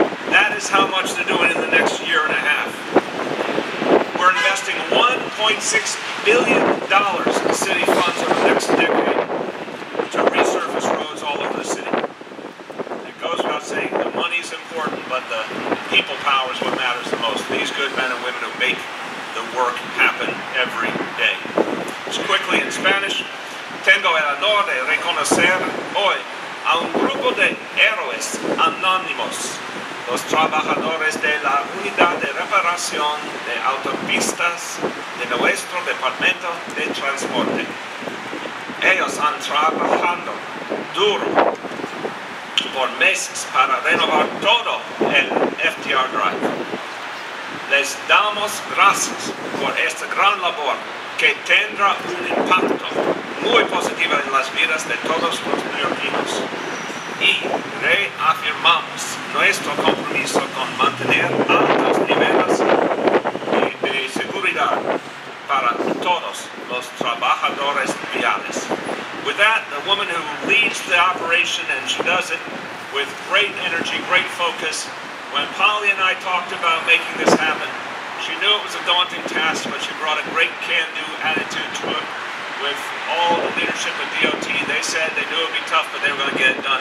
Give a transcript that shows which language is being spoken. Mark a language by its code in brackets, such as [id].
[en] That is how much they're doing in the next year and a half. We're investing $1.6 billion in city funds over the next decade to resurface roads all over the city. It goes without saying the money's important, but the people power is what matters the most. These good men and women who make the work happen every day. Just quickly in Spanish, [es] tengo el honor de reconocer hoy a un grupo de héroes anónimos. Los trabajadores de la unidad de reparación de autopistas de nuestro departamento de transporte. Ellos han trabajado duro por meses para renovar todo el FTR Drive. Les damos gracias por esta gran labor que tendrá un impacto muy positivo en las vidas de todos los neoyorquinos. Y reafirmamos nuestro compromiso con mantener altos niveles de seguridad para todos los trabajadores viales. [en] With that, the woman who leads the operation, and she does it with great energy, great focus. When Polly and I talked about making this happen, she knew it was a daunting task, but she brought a great can-do attitude to it. With all the leadership of DOT, they said they knew it would be tough, but they were going to get it done.